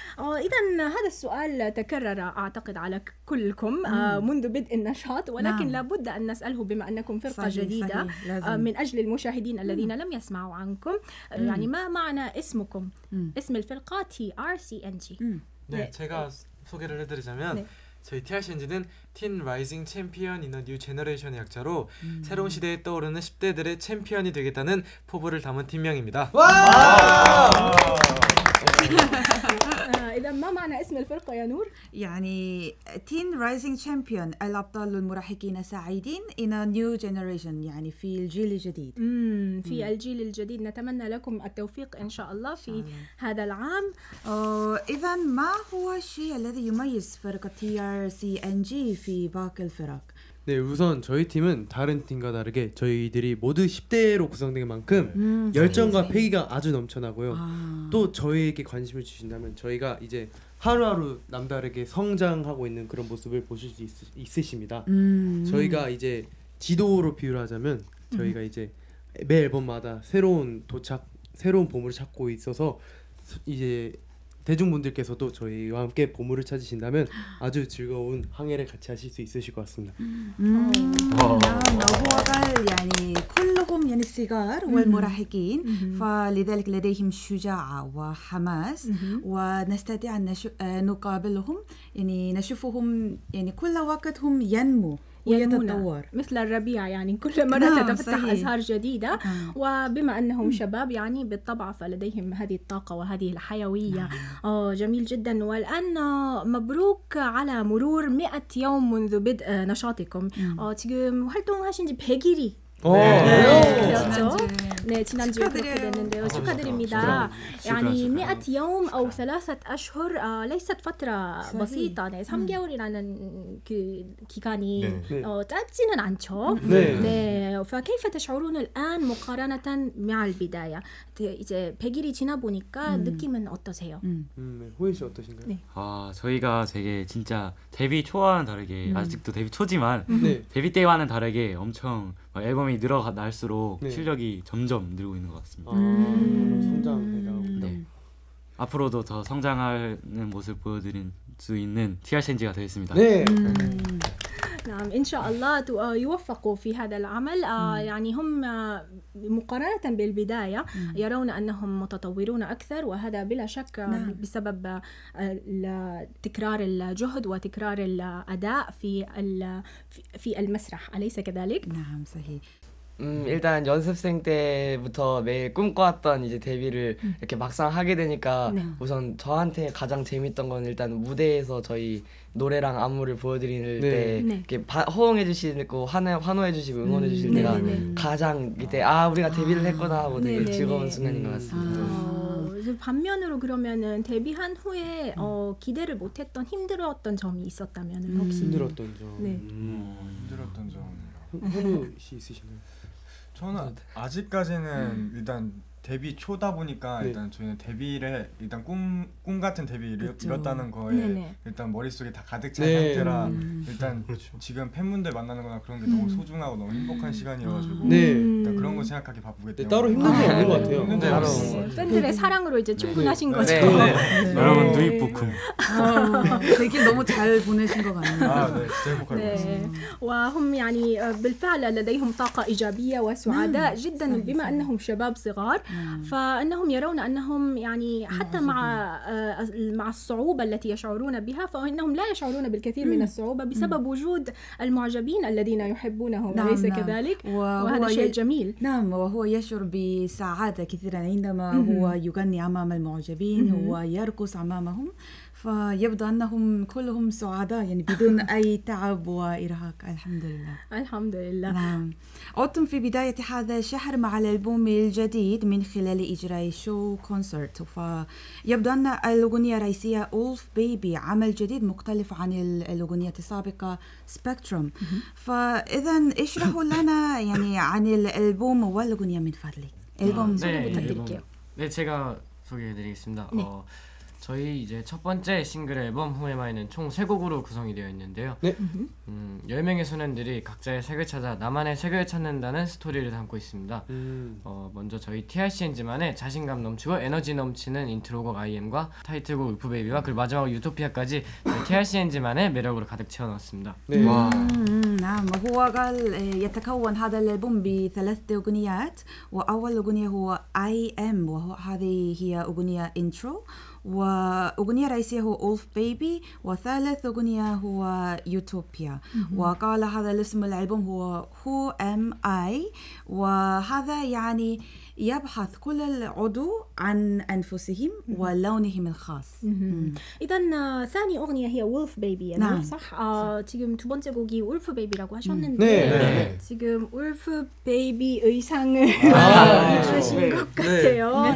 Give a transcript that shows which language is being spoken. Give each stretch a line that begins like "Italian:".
Arabic: إذا هذا السؤال تكرر أعتقد على كلكم منذ بدء النشاط، ولكن نعم، لابد أن نسأله بما أنكم فرقة جديدة. من أجل المشاهدين الذين لم يسمعوا عنكم، يعني ما معنى اسمكم؟ اسم الفرقة TRCNG.
Korean: 네, 제가 소개를 해드리자면 저희 TRCNG는 Teen Rising Champion in a New Generation의 약자로 새로운 시대에 떠오르는 10대들의 챔피언이 되겠다는 포부를 담은 팀명입니다. 와!
Arabic: إذا ما معنى اسم الفرقة يا نور؟ يعني Teen Rising Champion، الأبطال المراهقين سعيدين in a new generation، يعني في الجيل الجديد. في الجيل الجديد، نتمنى لكم التوفيق إن شاء الله في هذا العام. إذا ما هو الشيء الذي يميز فرقة TRCNG في باقي الفرق؟
Korean: 네, 우선 저희 팀은 다른 팀과 다르게 저희들이 모두 10대로 구성된 만큼 열정과 패기가 아주 넘쳐나고요. 또 저희에게 관심을 주신다면 저희가 이제 하루하루 남다르게 성장하고 있는 그런 모습을 보실 수 있으십니다. 저희가 이제 지도로 비유를 하자면 저희가 이제 매 앨범마다 새로운 보물을 찾고 있어서 이제 대중분들께서도 저희와 함께 보물을 찾으신다면 아주 즐거운 항해를 같이 하실 수 있으실 것 같습니다.
Arabic: 나보아갈 يعني كلهم يعني صغار والمراهقين فلذلك لديهم شجاعة وحماس ونستطيع أن نقابلهم يعني نشوفهم يعني كل وقت هم ينمو ينمون مثل الربيع يعني كل مرة تتفتح أزهار جديدة. وبما أنهم شباب يعني بالطبع فلديهم هذه الطاقة وهذه الحيوية. جميل جدا. والآن مبروك على مرور 100 يوم منذ بدء نشاطكم. تقوم هلتون هاشنجي بهجيري.
Korean: 네. 네. 그렇죠. 네, 지난주에 축하드려요. 그렇게 됐는데요. 축하드립니다.
Arabic: يعني 100 يوم او 3 اشهر ليست فتره بسيطه.
Korean: 네, 3개월이라는 그 기간이 네. 짧지는 않죠. 네. 네.
Arabic: فكيف تشعرون الان مقارنه مع البدايه.
Korean: 이제 100일이 지나 보니까 느낌은 어떠세요? 호인 씨 어떠신가요? 네. 아, 저희가 되게 진짜 데뷔 초와는 다르게 아직도 데뷔 초지만 데뷔 때와는 다르게 엄청 앨범이 늘어날수록 네. 실력이 점점 늘고 있는 것 같습니다. 성장해가고 앞으로도 더 성장하는 모습 보여드릴 수 있는 TRCNG가 되겠습니다. 네.
Arabic: نعم إن شاء الله يوفقوا في هذا العمل. يعني هم مقارنة بالبداية يرون أنهم متطورون أكثر وهذا بلا شك بسبب تكرار الجهد وتكرار الأداء في المسرح أليس كذلك؟ نعم صحيح.
Korean: 일단 연습생 때부터 매일 꿈꿔왔던 이제 데뷔를 이렇게 막상 하게 되니까 네. 우선 저한테 가장 재밌던 건 일단 무대에서 저희 노래랑 안무를 보여드리는 네. 때 네. 이렇게 호응해 주시고 환호해 주시고 응원해 주실 때가 가장 이때 아 우리가 데뷔를 했구나 하고 되게 네네네. 즐거운 순간인 것 같습니다. 반면으로 그러면은 데뷔한 후에 기대를 못했던 힘들었던 점이 있었다면 혹시 힘들었던 점? 네. 힘들었던 점 후루씨 있으신가요? 저는 아직까지는 일단 데뷔 초다 보니까 네. 일단 저희는 데뷔를 일단 꿈 같은 데뷔를 이뤘다는 거에 네네. 일단 머릿속에 다 가득 찬 네. 상태라 일단 그렇죠. 지금 팬분들 만나는 거나 그런 게 너무 소중하고 너무 행복한 시간이어가지고 네. 일단 그런 거 생각하기 바쁘기 때문에 네, 따로 힘든 게 없는 것 같아요. 힘든 것 같아요. 팬들의 사랑으로 이제 충분하신 네. 거죠. 네. 네. 네. 네. 여러분 누이 뽀큼 되게 너무 잘 보내신 것 같네요. 아, 네. 진짜 행복할 것 같습니다.
Arabic: 와, هم يعني بالفعل لديهم طاقة إيجابية وسعداء جدا بما أنهم شباب صغار فإنهم يرون أنهم يعني حتى مع الصعوبة التي يشعرون بها فإنهم لا يشعرون بالكثير من الصعوبة بسبب وجود المعجبين الذين يحبونهم أليس كذلك وهذا شيء جميل نعم وهو يشعر بسعادة كثيرا عندما هو يغني أمام المعجبين ويرقص أمامهم فيبدو أنهم كلهم سعداء يعني بدون أي تعب وإرهاق الحمد لله الحمد لله نعم أتم في بداية هذا الشهر مع الألبوم الجديد من خلال إجراء شو كونسرت فيبدو أن الأغنية الرئيسية أولف بيبي عمل جديد مختلف عن الأغنيات السابقة سبكتروم فإذا اشرحوا لنا يعني عن الألبوم والأغنية من فضلك ألبوم سوف نتحدث عنه نعم
Korean: 제가 소개해드리겠습니다 네. 저희 이제 첫 번째 싱글 앨범 Who Am I는 총 세 곡으로 구성이 되어 있는데요. 네. 10명의 소년들이 각자의 색을 찾아 나만의 색을 찾는다는 스토리를 담고 있습니다. 먼저 저희 TRCNG만의 자신감 넘치고 에너지 넘치는 인트로곡 IM과 타이틀곡 울프 베이비와 그리고 마지막 유토피아까지 TRCNG만의 매력으로 가득 채워넣었습니다. 네. 와.
Arabic: نعم هو قال يتكون هذا الألبوم بثلاث أغنيات وأول أغنية هو I Am وهذه هي أغنية intro وأغنية رئيسية هو Wolf Baby وثالث أغنية هو Utopia وقال هذا الاسم الألبوم هو Who Am I وهذا يعني يبحث كل العضو عن أنفسهم ولونهم الخاص. إذن ثاني أغنية هي Wolf Baby. نعم. صح.
Korean: تيجم 두 번째 곡이 Wolf Baby라고 하셨는데 지금 Wolf Baby 의상을 입으신 것 같아요.